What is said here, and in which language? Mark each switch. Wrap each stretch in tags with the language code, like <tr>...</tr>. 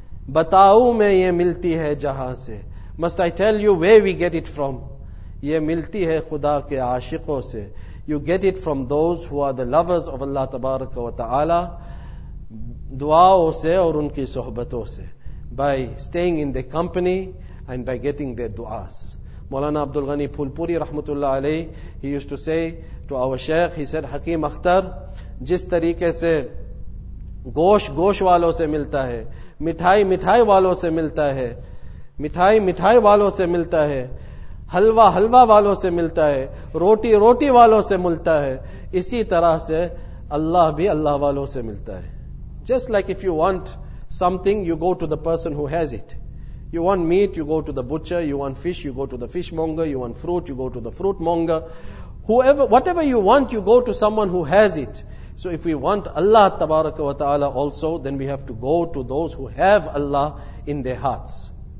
<ur>बताऊं मैं ये मिलती है जहां से,</ur> <en>must I tell you where we get it from,</en> <ur>ये मिलती है खुदा के आशिकों से.</ur> <en>you get it from those who are the lovers of Allah तबारक व तआला,</en> <ur>दुआओं से और उनकी सोहबतों से,</ur> <en>Bye staying in the company and by getting there दुआस.</en> <ur>مولانا عبد الغني پھولپوری رحمت اللہ علیہ,</ur> <en>he used to say to our</en> <ur>Sheikh, he said, حکیم اختر, جس طریقے سے گوش گوش والوں سے ملتا ہے, مٹھائی مٹھائی والوں سے ملتا ہے, مٹھائی مٹھائی والوں سے ملتا ہے, حلوہ حلوہ والوں سے ملتا ہے, روٹی روٹی والوں سے ملتا ہے, اسی طرح سے اللہ بھی اللہ والوں سے ملتا ہے.</ur> <en>Just like if you want something, you go to the person who has it. You want meat, you go to the butcher. You want fish, you go to the fishmonger. You want fruit, you go to the fruitmonger. Whoever, whatever you want, you go to someone who has it. So if we want Allah tabaraka wa ta'ala also, then we have to go to those who have Allah in their hearts.</en>